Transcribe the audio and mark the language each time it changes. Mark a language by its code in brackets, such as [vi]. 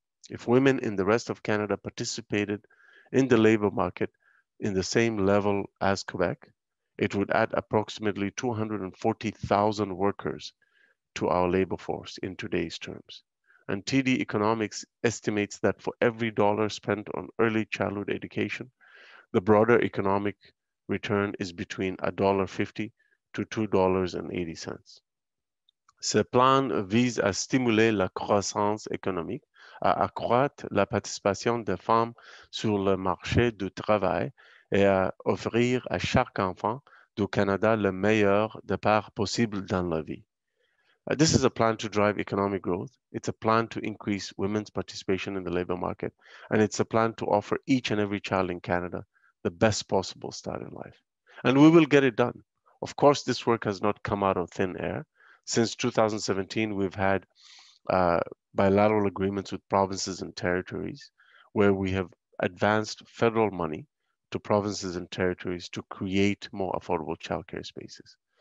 [en] If women in the rest of Canada participated in the labor market in the same level as Quebec, it would add approximately 240,000 workers to our labor force in today's terms. And TD Economics estimates that for every dollar spent on early childhood education, the broader economic return is between $1.50 to $2.80. [fr] Ce plan vise à stimuler la croissance économique, à accroître la participation des femmes sur le marché du travail et à offrir à chaque enfant du Canada le meilleur départ possible dans la vie. [en] This is a plan to drive economic growth. It's a plan to increase women's participation in the labor market, and it's a plan to offer each and every child in Canada the best possible start in life. And we will get it done. Of course, this work has not come out of thin air. Since 2017, we've had bilateral agreements with provinces and territories where we have advanced federal money to provinces and territories to create more affordable childcare spaces.